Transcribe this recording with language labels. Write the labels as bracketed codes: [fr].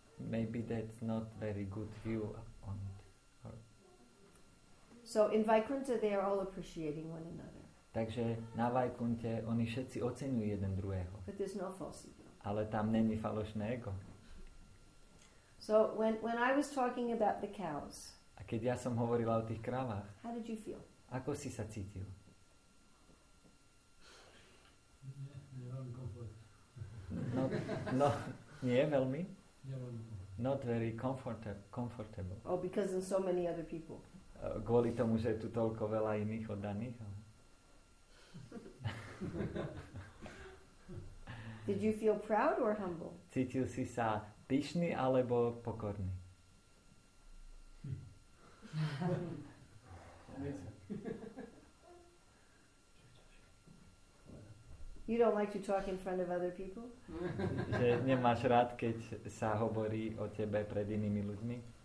[en] Maybe that's not very good view on it. So in Vaikuntha they are all appreciating one another. [sk] Takže na Vaikunte oni všetci oceňujú jeden druhého. [en] But there's no false ego. [sk] Ale tam není falošné ego. [en] So when I was talking about the cows. [sk] A keď ja som hovorila o tých krávach. [en] How did you feel? [sk] Ako si sa cítil? Nie, veľmi komfortable. Nie veľmi? Nie, [en] not very comfortable. Oh, because there's so many other people. [sk] Kvôli tomu, že je tu toľko veľa iných oddaných. [en] Did you feel proud or humble? [sk] Cítil si sa pyšný alebo pokorný? [en] You don't like to talk in front of other people? [sk] Že nemáš rád, keď sa hovorí o tebe pred inými ľuďmi?